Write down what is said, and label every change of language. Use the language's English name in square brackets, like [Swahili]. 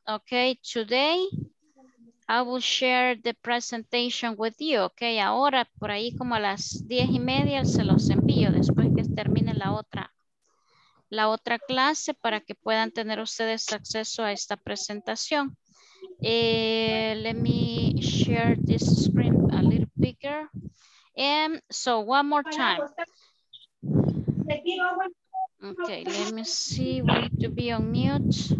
[English] Okay, today I will share the presentation with you. [Spanish] Okay, ahora por ahí como a las 10:30 se los envío después que termine la otra clase para que puedan tener ustedes acceso a esta presentación. [English] Let me share this screen a little bigger. So one more time. Okay, let me see, we need to be on mute.